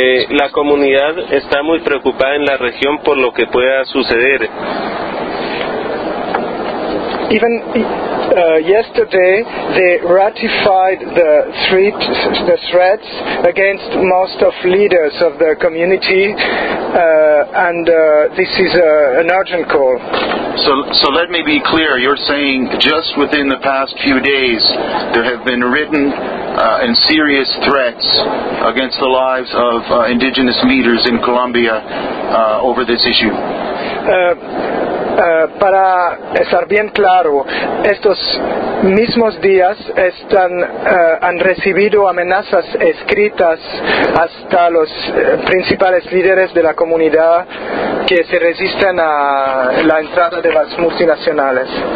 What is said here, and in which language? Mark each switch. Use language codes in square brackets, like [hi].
[es] La comunidad está muy preocupada en la región por lo que pueda suceder. [en] Even yesterday they ratified the threats against most of leaders of the community, and this is an urgent call. So let me be clear. You're saying just within the past few days there have been written and serious threats against the lives of indigenous leaders in Colombia over this issue. [es] Para estar bien claro, estos mismos días están han recibido amenazas escritas hasta los principales líderes de la comunidad que se resisten a la entrada de las multinacionales.